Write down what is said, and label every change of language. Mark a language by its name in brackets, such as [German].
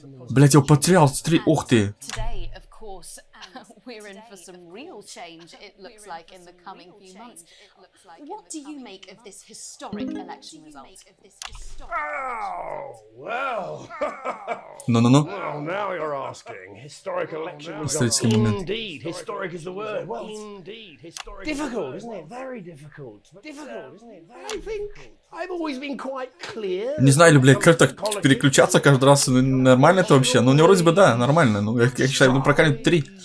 [Russian] Блять, я потерял стрель, ух ты. [English] We're in for some real change, it looks like, in the coming few months. What do you make of this historic election result? No. Well, now you're asking. Historic election result. Indeed, historic is the word. Well, indeed, historic. Difficult, isn't it? Very difficult. Difficult, isn't it? I think I've always been quite clear. [Russian] Не знаю, ли, блядь, как так переключаться каждый раз, нормально это вообще? Ну, у него вроде бы, да, нормально. Ну, я считаю, ну, прокалит три.